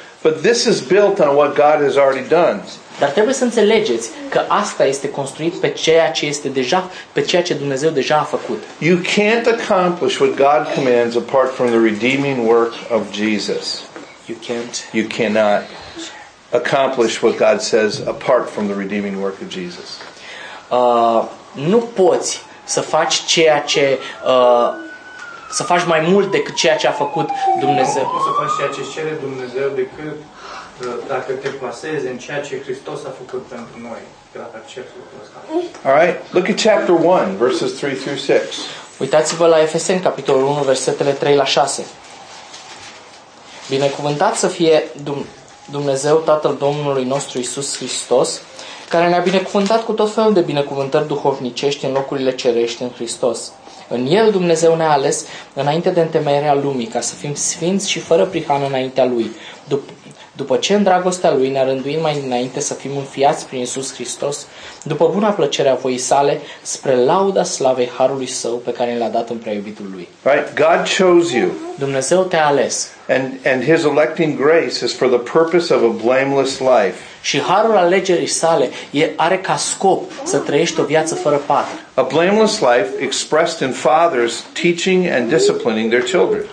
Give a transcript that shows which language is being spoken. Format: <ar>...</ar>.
<en>But this is built on what God has already done.</en> <ro>Dar trebuie să înțelegeți că asta este construit pe ceea ce este deja, pe ceea ce Dumnezeu deja a făcut.</ro> <en>You can't accomplish what God commands apart from the redeeming work of Jesus. You can't. You cannot accomplish what God says apart from the redeeming work of Jesus.</en> <ro>Nu poți să faci ceea ce să faci mai mult decât ceea ce a făcut Dumnezeu. Nu poți să faci ceea ce cere Dumnezeu decât dacă te plasezi în ceea ce Hristos a făcut pentru noi, dacă accepți lucrul ăsta.</ro> <en>All right, look at chapter 1, verses 3 through 6.</en> <ro>Uitați-vă la Efeseni, capitolul 1, versetele 3 la 6. Binecuvântat să fie Dumnezeu, Tatăl Domnului nostru Iisus Hristos, care ne-a binecuvântat cu tot felul de binecuvântări duhovnicești în locurile cerești în Hristos. În El Dumnezeu ne-a ales înainte de întemeierea lumii, ca să fim sfinți și fără prihană înaintea Lui. După ce în dragostea Lui ne-a rânduit mai înainte să fim înfiați prin Iisus Hristos, după buna plăcere a voii sale, spre lauda slavei Harului Său pe care l-a dat în preiubitul Lui.</ro> <en>Right? God chose you.</en> <ro>Dumnezeu te-a ales.</ro> <en>And His electing grace is for the purpose of a blameless life.</en> <ro>Și harul alegerii sale are ca scop să trăiești o viață fără pată.</ro> <en>A blameless life expressed in fathers teaching and disciplining their children.</en>